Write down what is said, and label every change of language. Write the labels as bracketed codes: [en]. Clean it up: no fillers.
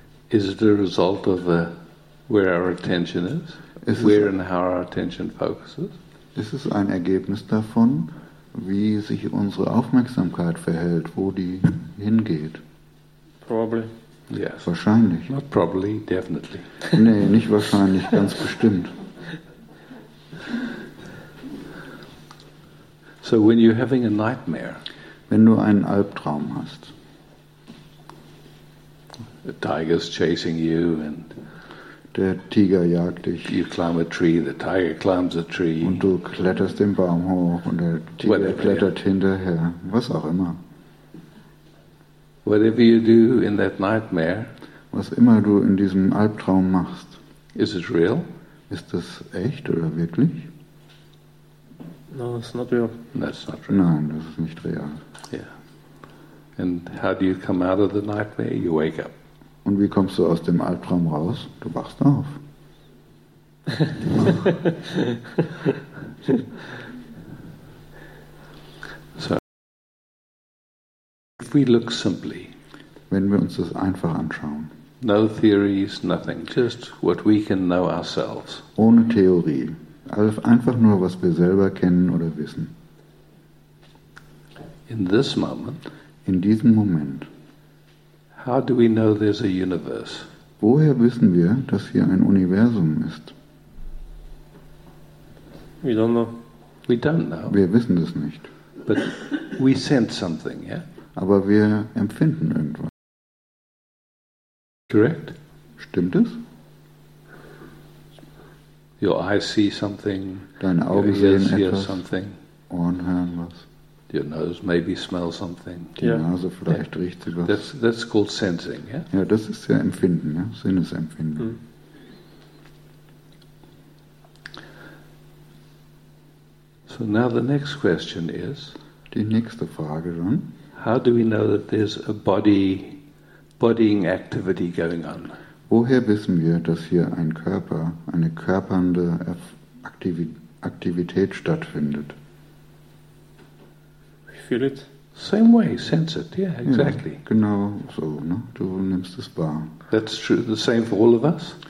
[en] Is it a result of where our attention is? [de] Ist [en] where [de] es, [en] and how our attention focuses? [de] Ist es ein Ergebnis davon, wie sich unsere Aufmerksamkeit verhält, wo die hingeht? [en] Probably. Yes. [de] Wahrscheinlich. [en] Not probably, definitely. [de] Nee, nicht wahrscheinlich, ganz bestimmt. [en] So when you're having a nightmare. [de] Wenn du einen Albtraum hast. [en] The tiger's chasing you and [de] der Tiger jagt dich. [en] You climb a tree, the tiger climbs a tree. [de] Und du kletterst den Baum hoch und der Tiger [en] whatever, [de] klettert hinterher. Was auch immer. [en] Whatever you do in that nightmare, [de] was immer du in diesem Albtraum machst, [en] is it real? [de] Ist das echt oder wirklich? [en] No, it's not real. That's not real. [de] Nein, das ist nicht real. [en] Yeah. And how do you come out of the nightmare? You wake up. [de] Und wie kommst du aus dem Albtraum raus? Du wachst auf. [en] So, if we look simply, [de] wenn wir uns das einfach anschauen, [en] no theories, nothing, just what we can know ourselves. [de] Ohne Theorie, einfach nur was wir selber kennen oder wissen. [en] In this moment. [de] In diesem Moment. [en] How do we know there's a universe? [de] Woher wissen wir, dass hier ein Universum ist? [en] We don't know. We don't know. [de] Wir wissen es nicht. [en] But we sense something, yeah? [de] Aber wir empfinden irgendwas. [en] Correct? [de] Stimmt es? [en] Your eyes see something. [de] Deine Augen [en] your ears [de] sehen etwas. [en] Hear something. [de] Ohren hören was. [en] Your nose maybe smells something. [de] Die Nase vielleicht [en] yeah. [de] Riecht etwas. [en] That's called sensing, yeah? [de] Ja, das ist ja Empfinden, ja? Sinnesempfinden. Mm. [en] So now the next question is, [de] die nächste Frage dann, [en] how do we know that there's a bodying activity going on? [de] Woher wissen wir, dass hier ein Körper, eine körpernde Aktivität stattfindet? [en] Feel it. Same way, sense it. Yeah, exactly. [de] Ja, genau so, ne? Du nimmst es wahr. [en] That's true. The same for all of us?